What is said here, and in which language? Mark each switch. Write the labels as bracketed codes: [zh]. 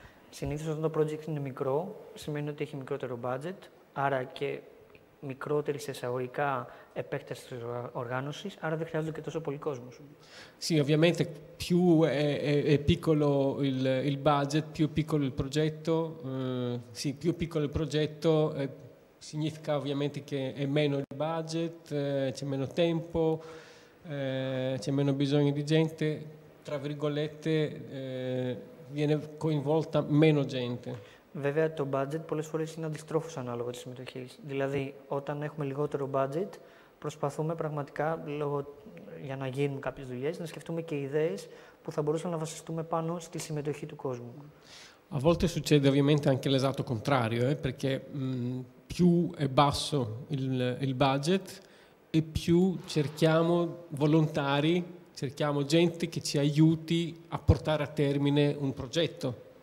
[el] Συνήθως όταν το project είναι μικρό, σημαίνει ότι έχει μικρότερο budget, άρα και μικρότερη σε εισαγωγικά επέκταση της οργάνωσης, άρα δεν χρειάζονται και τόσο πολύ κόσμο. [it] Sì, ovviamente più è piccolo il budget, più piccolo il progetto, sì, più piccolo il progetto significa ovviamente che è meno il budget, c'è meno tempo, c'è meno bisogno di gente, tra virgolette viene coinvolta meno gente. [el] Βέβαια, το budget πολλές φορές είναι αντιστρόφως ανάλογο της συμμετοχής. Δηλαδή, όταν έχουμε λιγότερο budget, προσπαθούμε πραγματικά, λόγω, για να γίνουν κάποιες δουλειές, να σκεφτούμε και ιδέες που θα μπορούσαμε να βασιστούμε πάνω στη συμμετοχή του κόσμου. [it] A volte succede ovviamente anche l'esatto contrario, perché più è basso il budget e più cerchiamo volontari, cerchiamo gente che ci aiuti a portare a termine un progetto.